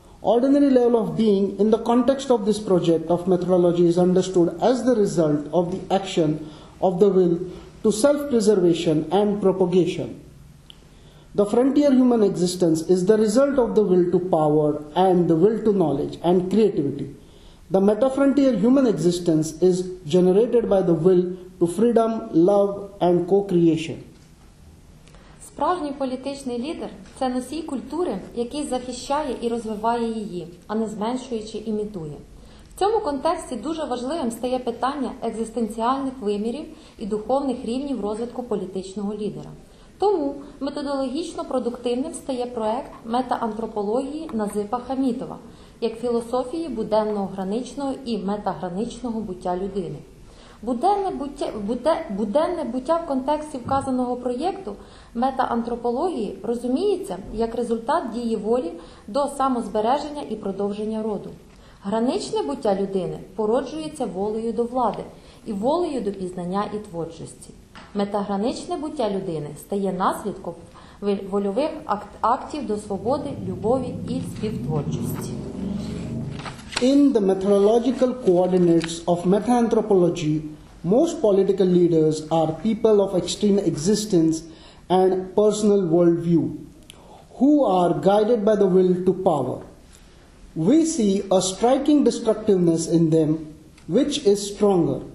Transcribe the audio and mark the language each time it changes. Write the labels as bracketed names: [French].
[English] Ordinary level of being in the context of this project of methodology is understood as the result of the action of the will to self-preservation and propagation. The frontier human existence is the result of the will to power and the will to knowledge and creativity. The metafrontier human existence is generated by the will to freedom, love and co-creation. [Ukrainian] Справжній політичний лідер – це носій культури, який захищає і розвиває її, а не зменшує чи імітує. В цьому контексті дуже важливим стає питання екзистенціальних вимірів і духовних рівнів розвитку політичного лідера. Тому методологічно продуктивним стає проект метаантропології Назипа Хамітова як філософії буденного граничного і метаграничного буття людини. Буденне буття в контексті вказаного проєкту метаантропології розуміється як результат дії волі до самозбереження і продовження роду. Граничне буття людини породжується волею до влади і волею до пізнання і творчості. Метагранічне буття людини стає наслідком вольових актів до свободи, любові і співтворчості. [English] In the methodological coordinates of meta-anthropology, most political leaders are people of extreme existence and personal worldview, who are guided by the will to power. We see a striking destructiveness in them, which is stronger.